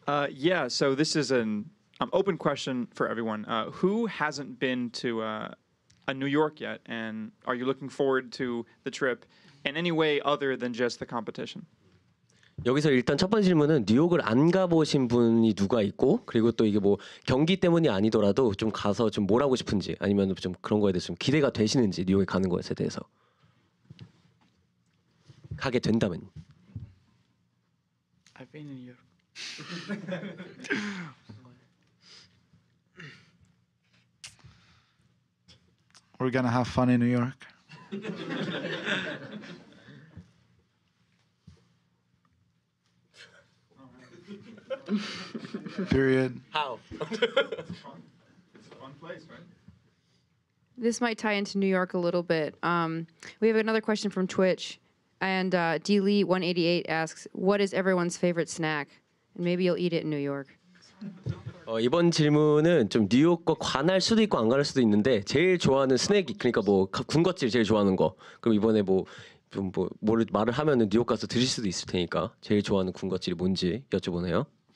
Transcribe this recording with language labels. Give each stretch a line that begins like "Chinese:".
English: Yeah, so this is an open question for everyone. Who hasn't been to a New York yet, and are you looking forward to the trip in any way other than just the competition?
Korean: 여기서 일단 첫 번째 질문은 뉴욕을 안 가보신 분이 누가 있고 그리고 또 이게 뭐 경기 때문이 아니더라도 좀 가서 좀 뭘 하고 싶은지 아니면 좀 그런 거에 대해서 좀 기대가 되시는지 뉴욕에 가는 것에 대해서 가게 된다면.
English: I've been in New York. We're gonna have fun in New York. Period. How? It's a fun place, right? This might tie into New York a little bit. We have another question from Twitch, and DLee188 asks, "What is everyone's favorite snack?" And maybe you'll eat it in New York.
Korean: 이번 질문은 좀 뉴욕과 관할 수도 있고 안 관할 수도 있는데 제일 좋아하는 스낵이 그러니까 뭐 군것질 제일 좋아하는 거. 그럼 이번에 뭐 좀 뭐 뭐를 말을 하면은 뉴욕 가서 드실 수도 있을 테니까 제일 좋아하는 군것질이 뭔지 여쭤보네요.